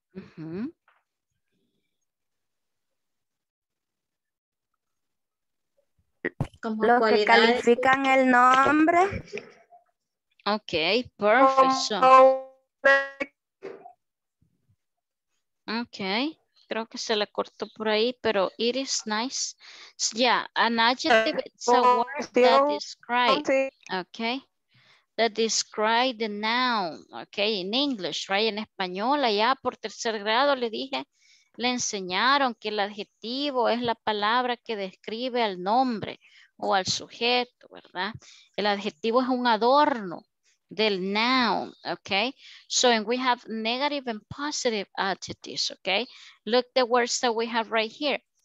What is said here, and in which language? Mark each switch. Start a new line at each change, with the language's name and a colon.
Spanish: Los que califican el nombre. Ok, perfecto. Ok, creo que se le cortó por ahí, pero
English: it is nice. Yeah, an adjective is a word that describes. Okay, that describes the noun. Okay, in English, right?
Spanish: En español, allá por tercer grado le dije, le enseñaron que el adjetivo es la palabra que describe al nombre o al sujeto, ¿verdad? El adjetivo es un adorno del noun, okay?
English: So, and we have negative and positive adjectives, okay? Look the words that we have right here.